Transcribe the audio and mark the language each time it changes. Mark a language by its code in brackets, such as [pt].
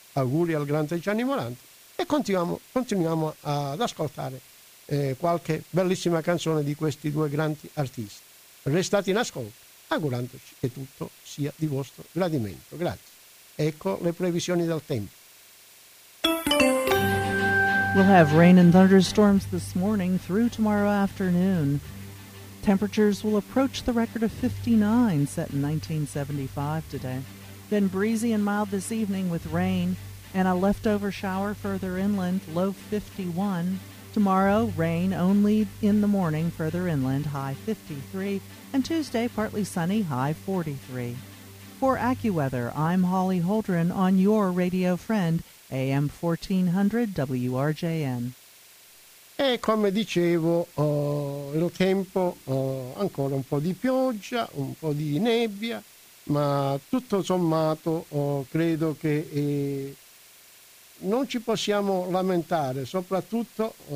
[it] Auguri al grande Gianni Morandi, e continuiamo ad ascoltare qualche bellissima canzone di questi due grandi artisti. Restate in ascolto, augurandoci che tutto sia di vostro gradimento. Grazie. Ecco le previsioni del tempo. [en] We'll have rain and thunderstorms this morning through tomorrow afternoon. Temperatures will approach the record of 59 set in 1975 today. Then breezy and mild this evening with rain and a leftover shower further inland, low 51. Tomorrow, rain only in the morning further inland, high 53. And Tuesday, partly sunny, high 43. For AccuWeather, I'm Holly Holdren on your radio friend, AM 1400 WRJN. [it] E come dicevo, il tempo, ancora un po' di pioggia, un po' di nebbia, ma tutto sommato credo che non ci possiamo lamentare, soprattutto